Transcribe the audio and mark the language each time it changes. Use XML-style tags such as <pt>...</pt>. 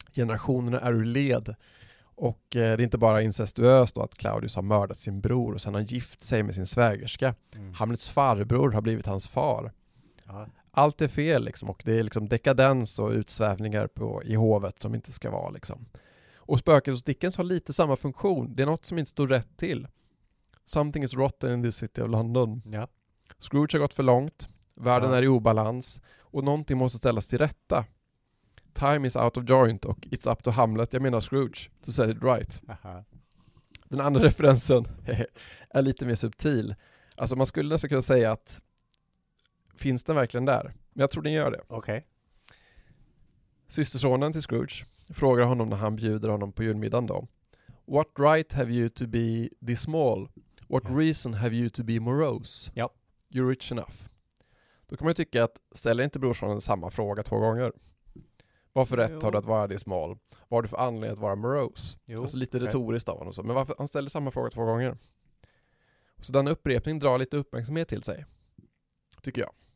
<sv>Generationerna är ur led. Och det är inte bara incestuöst då att Claudius har mördat sin bror och sen har gift sig med sin svägerska. Mm. Hamlets farbror har blivit hans far. Ja. Allt är fel liksom, och det är liksom dekadens och utsvävningar i hovet som inte ska vara. Liksom. Och spöket hos Dickens har lite samma funktion. Det är något som inte står rätt till.</sv> <en>Something is rotten in the city of London.</en> <sv>Ja. Scrooge har gått för långt. Världen är i obalans. Och någonting måste ställas till rätta.</sv> <en>Time is out of joint och it's up to Hamlet.</en> <sv>Jag menar</sv> <en>Scrooge, to say it right. Aha.</en> <sv>Den andra referensen är lite mer subtil. Alltså man skulle nästan kunna säga att finns den verkligen där? Men jag tror den gör det. Okay. Systersonen till Scrooge frågar honom när han bjuder honom på julmiddagen då.</sv> <en>What right have you to be this small? What reason have you to be morose?</en> <sv>Ja.</sv> <en>You're rich enough.</en> <sv>Då kan man ju tycka att ställer inte brorsan samma fråga två gånger. Varför rätt har du att vara</sv> <en>this small?</en> <sv>Vad har du för anledning att vara morose? Jo, alltså lite retoriskt av honom. Men varför han ställer samma fråga två gånger? Så den upprepning drar lite uppmärksamhet till sig. Tycker jag.</sv>